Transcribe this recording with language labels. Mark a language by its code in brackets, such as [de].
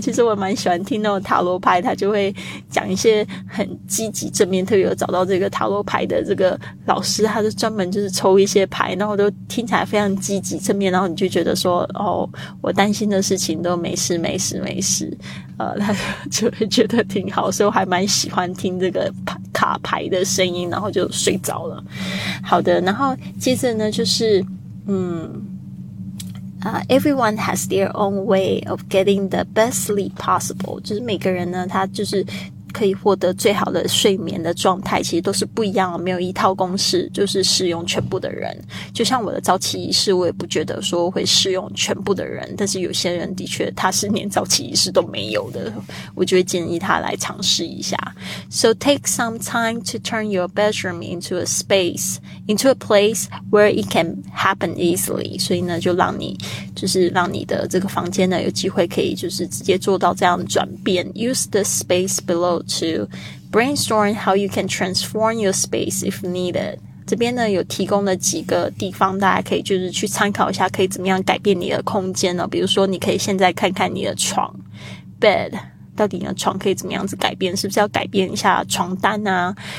[zh] 其实我蛮喜欢听那种塔罗牌，他就会讲一些很积极正面，特别有找到这个塔罗牌的这个老师，他就专门就是抽一些牌，然后都听起来非常积极正面，然后你就觉得说哦，我担心的事情都没事没事没事，他就会觉得挺好，所以我还蛮喜欢听这个卡牌的声音，然后就睡着了。好的，然后接着呢就是 [en] everyone has their own way of getting the best sleep possible. [zh] 就是每个人呢，他就是可以获得最好的睡眠的状态，其实都是不一样的，没有一套公式就是适用全部的人。就像我的早起仪式，我也不觉得说会适用全部的人，但是有些人的确他是连早起仪式都没有的，我就会建议他来尝试一下。 [en] So take some time to turn your bedroom into a space, into a place where it can happen easily. [zh] 所以呢，就让你的这个房间呢有机会可以就是直接做到这样的转变。 [en] Use the space belowTo brainstorm how you can transform your space if needed. [zh] 这边呢有提供了几个地方，大家可以就是去参考一下，可以怎么样改变你的空间呢？比如说，你可以现在看看你的床 bed， 到底你的床可以怎么样子改变？是不是要改变一下床单啊？